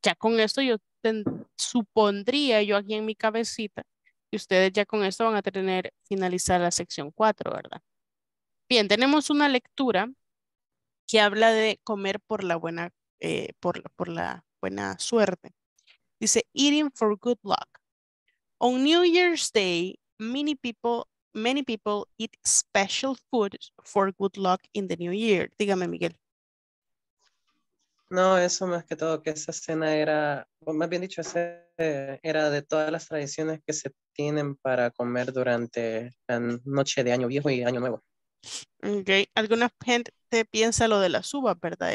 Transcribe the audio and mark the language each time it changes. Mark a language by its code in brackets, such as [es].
[es] Ya con esto supondría yo aquí en mi cabecita que ustedes ya con esto van a tener finalizada la sección 4, ¿verdad? Bien, tenemos una lectura que habla de comer por la buena, por la buena suerte. Dice, [en] eating for good luck. On New Year's Day, many people eat special foods for good luck in the New Year. [es] Dígame, Miguel. No, eso más que todo, que esa cena era, más bien dicho, era de todas las tradiciones que se tienen para comer durante la noche de Año Viejo y Año Nuevo. Ok, alguna gente piensa lo de las uvas, ¿verdad?